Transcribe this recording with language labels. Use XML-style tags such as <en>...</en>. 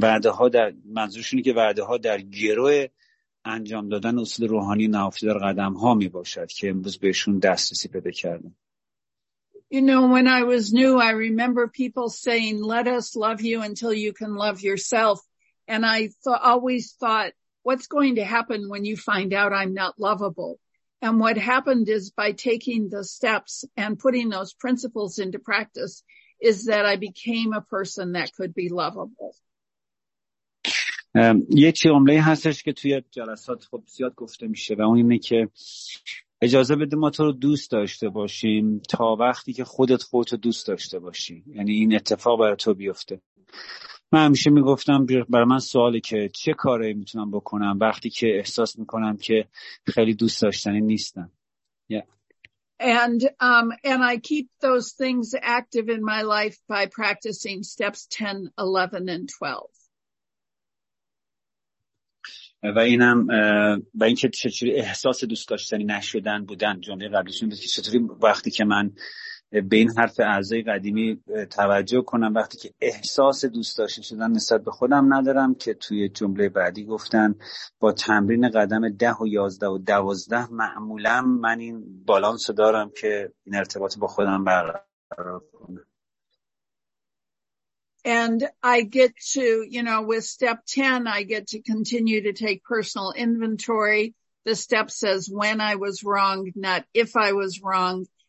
<fa>وعده ها در منظورش اینه که وعده ها در گروه انجام دادن اصول روحانی نهفته در قدم ها می باشد که امروز بهشون دسترسی پیدا کردم.</fa> <en>You know, when I was new, I remember people saying, "Let us love you until you can love yourself." And I always thought, what's going to happen when you find out I'm not lovable? And what happened is by taking the steps and putting those principles into practice is that I became a person that could be lovable.</en> <fa>یه جمله‌ای هستش که توی جلسات خب زیاد گفته میشه و اون اینه که اجازه بده ما تو رو دوست داشته باشیم تا وقتی که خودت خودت رو دوست داشته باشی. یعنی این اتفاق برای تو بیفته. من همیشه میگفتم برای من سوالی که چه کاری میتونم بکنم وقتی که احساس میکنم که خیلی دوست داشتنی نیستم.</fa> <en>Yeah. And I keep those things active in my life by practicing steps 10, 11 and 12.</en> <fa>و اینم با اینکه چطوری احساس دوست داشتنی نشدن بودن، جمله قبلیشون بود که چطوری وقتی که من به این حرف اعضای قدیمی توجه کنم، وقتی که احساس دوست داشتن شدن نسبت به خودم ندارم، که توی جمله بعدی گفتن با تمرین قدم 10 و 11 و 12 معمولا من این بالانس رو دارم که این ارتباط با خودم برقرار کنم.</fa> <en>And I get to, you know, with step 10 I get to continue to take personal inventory. The step says when I was wrong, not if I was wrong.</en>